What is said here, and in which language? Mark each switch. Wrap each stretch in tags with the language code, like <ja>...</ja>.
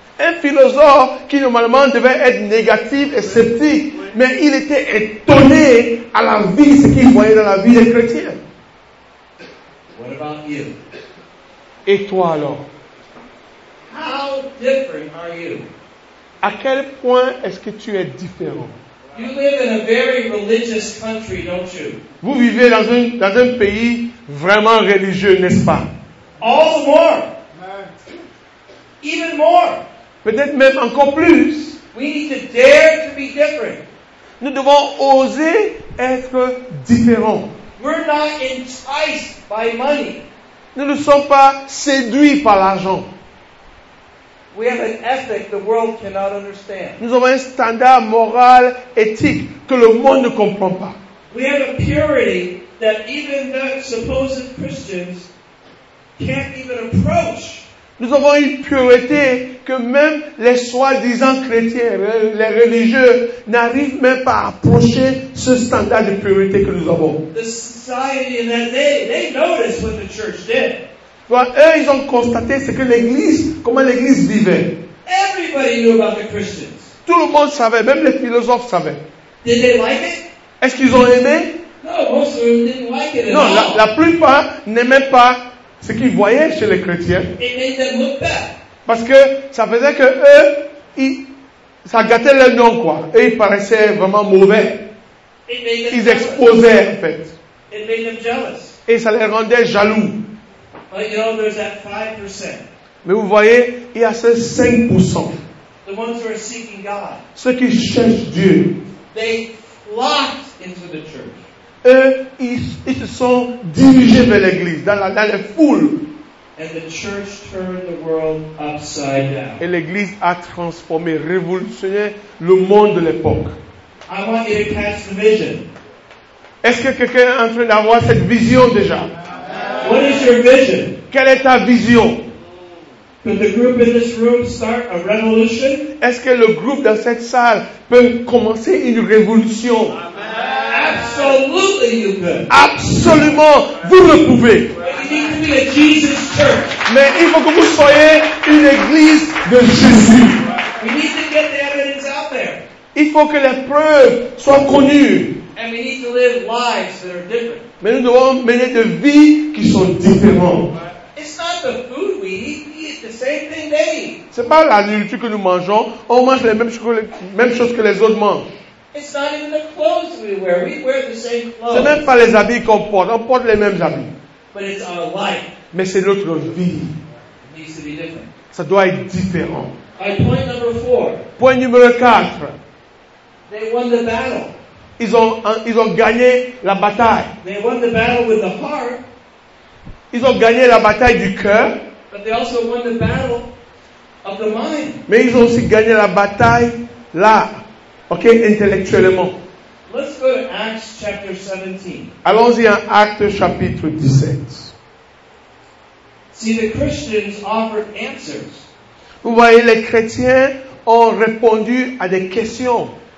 <fr>Un philosophe qui normalement devait être négatif et sceptique, mais il était étonné à la vie, ce qu'il voyait dans la vie des chrétiens.</fr> <en>What about you?</en> <fr>Et toi alors?</fr> <en>How different are you?</en> <fr>À quel point est-ce que tu es différent?</fr> <en>You live in a very religious country, don't you?</en> <fr>Vous vivez dans un pays vraiment religieux, n'est-ce pas?</fr> <en>All the more. Even more.</en> <fr>Peut-être même encore plus.</fr> <en>We need to dare to be different.</en> <fr>Nous devons oser être différents.</fr> <en>We're not enticed by money.</en> <fr>Nous ne sommes pas séduits par l'argent.</fr> <en>We have an ethic the world cannot understand.</en> <fr>Nous avons un standard moral, éthique, que le monde ne comprend pas.</fr> <en>We have a purity that even the supposed Christians can't even approach.</en> <fr>Nous avons une pureté que même les soi-disant chrétiens, les religieux, n'arrivent même pas à approcher ce standard de pureté que nous avons.</fr> <en>The society in that day, they noticed what the church did.</en> <fr>Bon, eux, ils ont constaté ce que l'Église, comment l'Église vivait.</fr> <en>Everybody knew about the Christians.</en> <fr>Tout le monde savait, même les philosophes savaient.</fr> <en>Did they like it?</en> <fr>Est-ce qu'ils ont aimé?</fr> <en>No, most of them didn't like it at</en> <fr>non,</fr> <en>all.</en> <fr>La plupart n'aimaient pas ce qu'ils voyaient chez les chrétiens.</fr> <en>It made them look bad.</en> <fr>Parce que ça faisait que eux, ça gâtait leur nom, quoi. Eux, ils paraissaient vraiment mauvais. Ils exposaient, En fait.</fr> <en>It made them jealous.</en> <fr>Et ça les rendait jaloux.</fr> <en>But you know, there's that 5%.</en> <fr>Mais vous voyez, il y a ce 5%.</fr> <en>The ones who are seeking God.</en> <fr>Ceux qui cherchent Dieu.</fr> <en>They flocked into the church.</en> <fr>Eux, ils se sont dirigés vers l'église, dans les foules.</fr> <en>And the church turned the world upside down.</en> <fr>Et l'église a transformé, révolutionné le monde de l'époque.</fr> <en>I want you to catch the vision.</en> <fr>Est-ce que quelqu'un est en train d'avoir cette vision déjà?</fr> <en>What is your vision?</en> <fr>Quelle est ta vision?</fr> <en>Could the group in this room start a revolution?</en> <fr>Est-ce que le groupe dans cette salle peut commencer une révolution?</fr> <en>Amen.</en> <fr>Absolument, vous le pouvez. Mais il faut que vous soyez une église de Jésus. Il faut que les preuves soient connues. Mais nous devons mener des vies qui sont différentes. Ce n'est pas la nourriture que nous mangeons. On mange les mêmes choses que les autres mangent. Ce n'est même pas les habits qu'on porte. On porte les mêmes habits.</fr> <en>But it's our life.</en> <fr>Mais c'est notre vie.</fr> <en>It needs to be different.</en> <fr>Ça doit être différent.</fr> <en>Point number four.</en> <fr>Point numéro 4.</fr> <en>They won the battle.</en> <fr>Ils ont gagné la bataille.</fr> <en>They won the battle with the heart.</en> <fr>Ils ont gagné la bataille du cœur.</fr> <en>But they also won the battle of the mind.</en> <fr>Mais ils ont aussi gagné la bataille là, ok, intellectuellement.</fr> <en>Let's go to Acts chapter 17.</en> <fr>Allons-y en Actes chapitre 17.</fr> <en>See, the Christians offered answers.</en> <fr>Vous voyez, les chrétiens ont répondu à des questions.</fr>